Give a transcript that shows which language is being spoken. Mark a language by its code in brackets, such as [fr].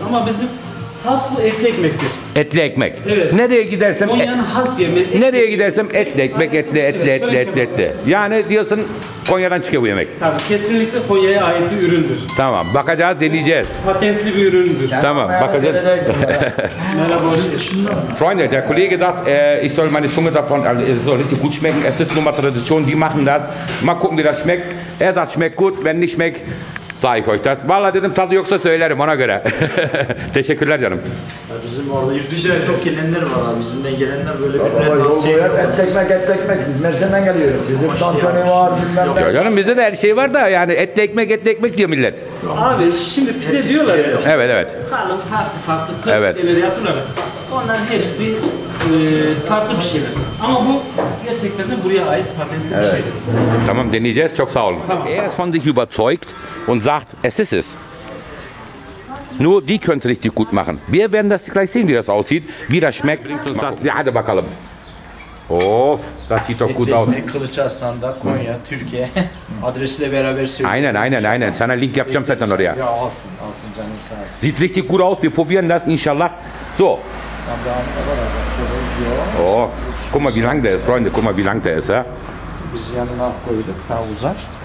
[tr] Ama bizim haslı etli ekmektir. Etli ekmek. Evet. Nereye gidersem... Konya'nın has yemeği. Nereye gidersem etli ekmek, etli, etli, evet, etli, etli, etli. Yani diyorsun Konya'dan çıkıyor bu yemek. Tabii, kesinlikle Konya'ya ait bir üründür. Tamam, bakacağız, deneyeceğiz. Patentli bir üründür. Sen tamam, bakacağız. Merhaba, hoş geldin. [de] Freunde, der Kollege sagt, ich soll meine Zunge davon, es soll richtig gut schmecken, es ist nur mal Tradition, die machen das. Mal gucken, wie das schmeckt. Er sagt, schmeckt gut, wenn nicht schmeckt, sag ich euch das. [tr] Valla dedim, tadı yoksa söylerim, ona göre. Teşekkürler canım. Bizim orada yurtdışına çok gelenler var abi. Bizimle gelenler böyle bir tane tavsiye yok. Et ekmek, et ekmek. Biz Mersin'den geliyoruz. Bizim tantani var, bilmem. Yok canım, bizde de her şey var da yani et ekmek, et ekmek diyor millet. Abi şimdi pide diyorlar ya. Evet, evet. Kalın, farklı, farklı. Evet. Onların hepsi farklı bir şeyler. Ama bu gerçekten de buraya ait patentli evet. Bir şeydir. Tamam, deneyeceğiz. Çok sağ olun. Tamam. [de] Er ist von sich überzeugt und sagt, es ist es. Nur die können es richtig gut machen. Wir werden das gleich sehen, wie das aussieht, wie das schmeckt. Bringt uns das. Ja, der Bakalım. Of, das sieht doch gut aus. [tr] Kılıçarslan'da, Konya, Türkiye. Adresiyle beraber söylüyorum. Aynen, aynen, aynen. Sana link yapacağım zaten oraya. Ja, alsın, alsın canım, sağ olsun. [de] Sieht richtig gut aus. Wir probieren das, inşallah. So. Oh, guck mal, wie lang der ist, Freunde. Guck mal, wie lang der ist, ha? [tr] Biz yanına koyduk, daha uzar.